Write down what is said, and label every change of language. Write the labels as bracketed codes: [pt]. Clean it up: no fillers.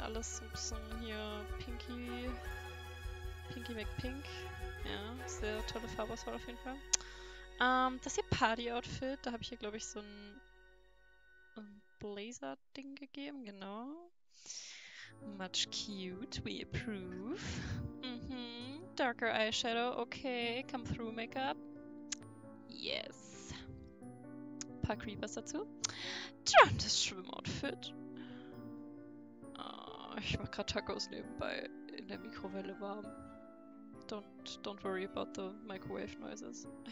[de] Alles so ein bisschen hier Pinky, Pinky McPink. Ja, sehr tolle Farbauswahl auf jeden Fall. Das hier Party-Outfit, da habe ich hier glaube ich so ein Blazer-Ding gegeben, genau. [en] Much cute, we approve. Mhm, darker Eyeshadow, okay, come through Make-up. [de] Yes. Ein paar Creepers dazu. Tja, das Schwimmoutfit. Ich mach grad Tacos nebenbei in der Mikrowelle warm. [en] Don't worry about the microwave noises.